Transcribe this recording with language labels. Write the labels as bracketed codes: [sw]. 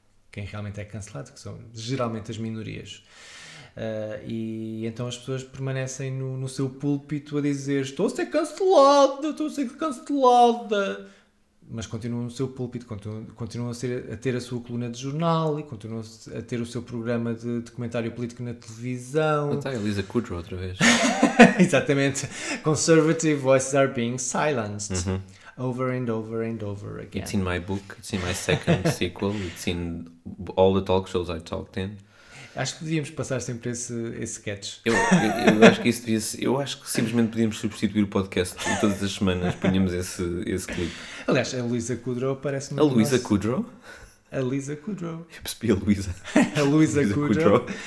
[pt] quem realmente é cancelado, que são geralmente as minorias. E então as pessoas permanecem no seu púlpito a dizer estou a ser cancelada, estou a ser cancelada. Mas continuam no seu púlpito, continuam a ter a sua coluna de jornal e continuam a ter o seu programa de comentário político na televisão. Está a Lisa Kudrow outra vez. Exatamente. [en] Conservative voices are being silenced. Over and over and over again. It's in my book, it's in my second sequel, it's in all the talk shows I talked in. [pt] Acho que devíamos passar sempre esse sketch. Eu acho que isso devia ser. Eu acho que simplesmente podíamos substituir o podcast e todas as semanas punhamos esse clipe. Aliás, a Luísa Kudrow parece muito. A Luísa Kudrow? A Luísa Kudrow. Eu percebi a Luísa. A Luísa Kudrow.